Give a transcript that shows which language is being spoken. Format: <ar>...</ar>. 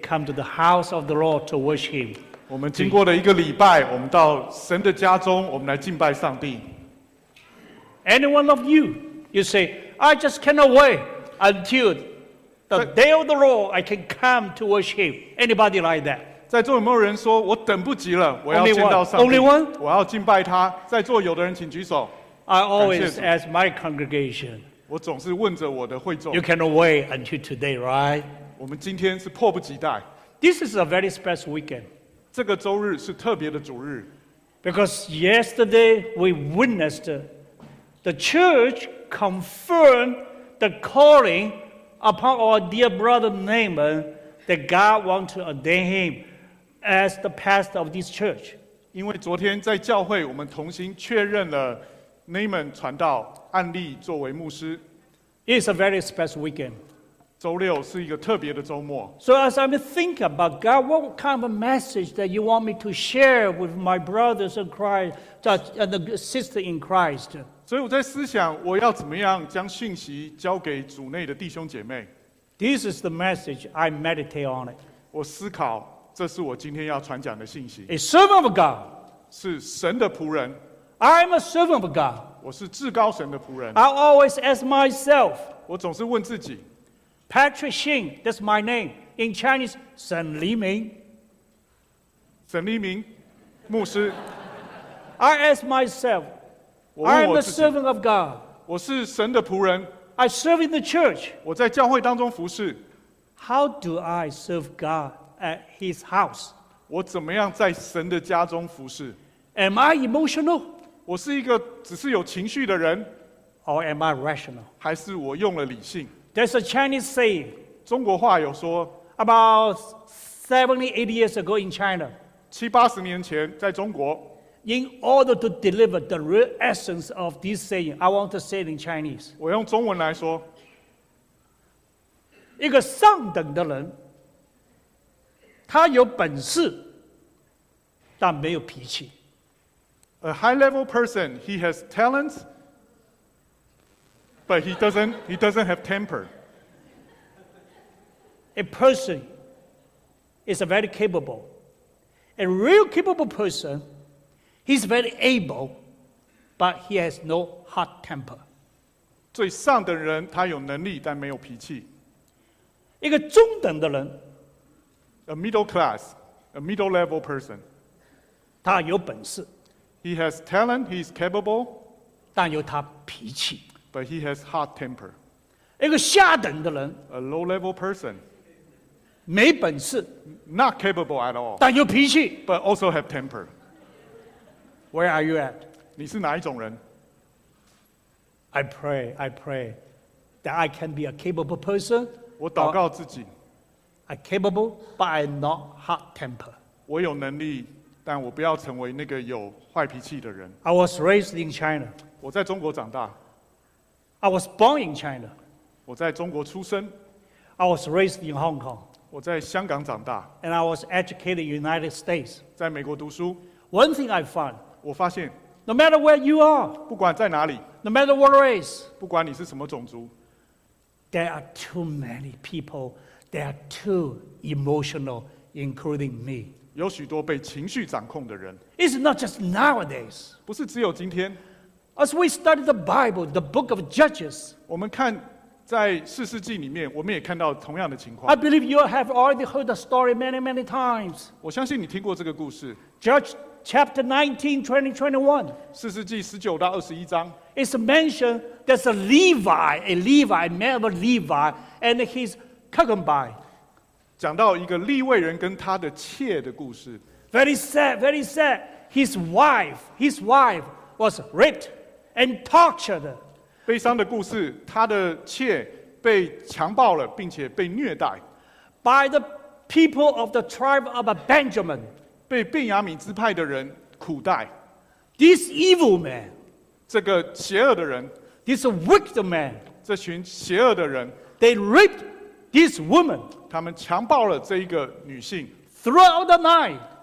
<en>Come to the house of the Lord to worship Him.</en> <zh>我们经过了一个礼拜，我们到神的家中，我们来敬拜上帝。</zh> <en>Any one of you, you say, I just cannot wait until the day of the Lord, I can come to worship. Anybody like that?</en> <zh>在座有没有人说我等不及了，我要见到上帝</zh> <en>Only one?</en> <zh>我要敬拜他。在座有的人请举手。</zh> <en>I always ask my congregation.</en> <zh>我总是问着我的会众。</zh> <en>You cannot wait until today, right?</en> <zh>我们今天是迫不及待。</zh> <en>This is a very special weekend.</en> <zh>这个周日是特别的主日。</zh> <en>Because yesterday we witnessed the church confirmed the calling. Upon our dear brother Naaman, that God wants to ordain him as the pastor of this church.</en> <zh>因为昨天在教会，我们同心确认了 Naaman 传道案例作为牧师。</zh> <en>It's a very special weekend.</en> <zh>周六是一个特别的周末。</zh> <en>So as I'm thinking about God, what kind of a message that you want me to share with my brothers in Christ, and the sister in Christ?</en> <zh>所以我在思想，我要怎么样将信息交给主内的弟兄姐妹。</zh> <en>This is the message I meditate on it.</en> <zh>我思考，这是我今天要传讲的信息。</zh> <en>A servant of God.</en> <zh>是神的仆人。</zh> <en>I'm a servant of God.</en> <zh>我是至高神的仆人。</zh> <en>I always ask myself.</en> <zh>我总是问自己。</zh> <en>Patrick Xin, that's my name. In Chinese, 沈黎明。</en> <zh>沈黎明，牧师。</zh> <en>I ask myself. I am a servant of God.</en> <zh>我是神的仆人。</zh> <en>I serve in the church.</en> <zh>我在教会当中服事。</zh> <en>How do I serve God at His house?</en> <zh>我怎么样在神的家中服事？</zh> <en>Am I emotional?</en> <zh>我是一个只是有情绪的人。</zh> <en>Or am I rational?</en> <zh>还是我用了理性？</zh> <en>There's a Chinese saying.</en> <zh>中国话有说。</zh> <en>About 70-80 years ago in China.</en> <zh>七八十年前在中国。</zh> <en>In order to deliver the real essence of this saying, I want to say it in Chinese.</en> <zh>我用中文来说，一个上等的人，他有本事，但没有脾气。</zh> <en>A high-level person, he has talents, but he doesn't have temper. A person is very capable. A real capable person. He's very able, but he has no hot temper.</en> <zh>最上等人，他有能力，但没有脾气。一个中等的人</zh> <en>，a middle class, a middle level person.</en> <zh>他有本事。</zh> <en>He has talent. He is capable.</en> <zh>但有他脾气。</zh> <en>But he has hot temper.</en> <zh>一个下等的人</zh> <en>，a low level person.</en> <zh>没本事。</zh> <en>Not capable at all.</en> <zh>但有脾气。</zh> <en>But also have temper. Where are you at?</en> <zh>你是哪一种人?</zh> <en>I pray that I can be a capable person.</en> <zh>我祷告自己。</zh> <en>I'm capable, but I'm not hot temper.</en> <zh>我有能力，但我不要成为那个有坏脾气的人。</zh> <en>I was raised in China.</en> <zh>我在中国长大。</zh> <en>I was born in China.</en> <zh>我在中国出生。</zh> <en>I was raised in Hong Kong.</en> <zh>我在香港长大。</zh> <en>And I was educated in the United States.</en> <zh>在美国读书。</zh> <en>One thing I found.</en> <zh>我发现</zh> <en>No matter where you are,</en> <zh>不管在哪里</zh> <en>No matter what race,</en> <zh>不管你是什么种族</zh> <en>There are too many people that are too emotional, including me.</en> <zh>有许多被情绪掌控的人</zh> <en>It's not just nowadays.</en> <zh>不是只有今天</zh> <en>As we study the Bible, the book of Judges,</en> <zh>我们看在四世纪里面，我们也看到同样的情况</zh> <en>I believe you have already heard the story many, many times.</en> <zh>我相信你听过这个故事</zh> <en>Judge. Chapter 19, 20, 21.</en> <zh>四世纪十九到二十一章</zh> <en>It's mentioned there's a Levi, a man of Levi, and his concubine.</en> <zh>讲到一个利未人跟他的妾的故事</zh> <en>Very sad, very sad. His wife was raped and tortured.</en> <zh>悲伤的故事，他的妾被强暴了，并且被虐待</zh> <en>by the people of the tribe of Benjamin.</en> <zh>被便雅悯支派的人苦待</zh> <en>This evil man</en> <zh>这个邪恶的人</zh> <en>This wicked man</en> <zh>这群邪恶的人</zh> <en>They raped this woman.</en> <zh>他们强暴了这一个女性。</zh> <en>Throughout the night.</en>